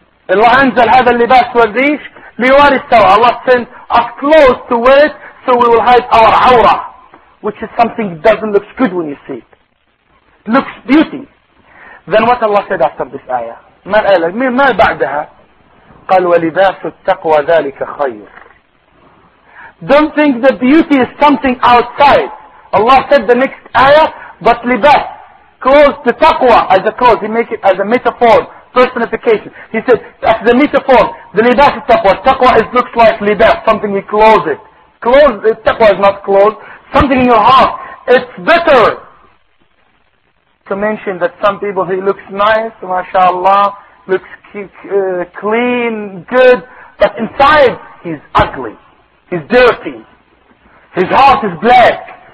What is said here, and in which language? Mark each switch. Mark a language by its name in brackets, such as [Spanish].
[English] Allah أنزل هذا اللباس والريش لِيُوَارِ سَوْآتِكُمْ. Allah sent us clothes to wear it so we will hide our awrah, which is something that doesn't look good when you see it. Looks beauty. Then what Allah said after this ayah? [Arabic] ما الآية لكي؟ ما بعدها؟ قَلْ وَلِبَاسُ التَّقْوَى ذَلِكَ خَيْرٌ. [English] Don't think that beauty is something outside. Allah said the next ayah, but libas, clothes, the taqwa as a clothes, He make it as a metaphor, personification. He said, as the metaphor, the libas is taqwa. Taqwa is looks like libas, something you close it. Close, taqwa is not clothes, something in your heart. It's better to mention that some people, he looks nice, mashallah, looks clean, good, but inside, he's ugly, he's dirty, his heart is black.